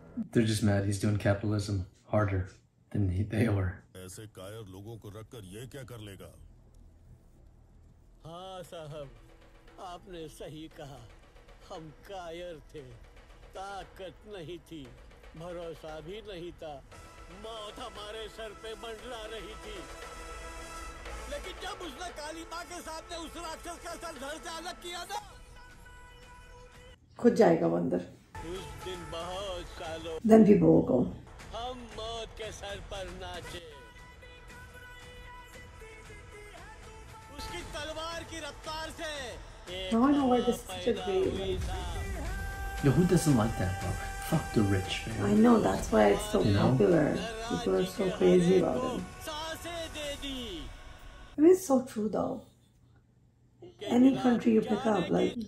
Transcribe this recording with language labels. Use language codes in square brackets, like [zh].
[en] They're just mad he's doing capitalism harder than they are. [hi] ऐसे कायर लोगों को रखकर ये क्या कर लेगा? हाँ साहब, आपने सही कहा. हम कायर थे, ताकत नहीं थी, भरोसा भी नहीं था. मौत हमारे सर पे मंडरा रही थी. लेकिन जब उसने काली माँ के सामने उस राक्षस का सर धड़ से अलग किया ना, खुद जाएगा बंदर. उस दिन बहुत सालों [en] then people will go. [hi] हम मौत के सर पर नाचे. उसकी तलवार की रफ्तार से. [en] Now I know why this should be. Yo, who doesn't like that book? Fuck the rich, man. I know, that's why it's so popular. People are so crazy about it. It is so true though. Any country you pick up, like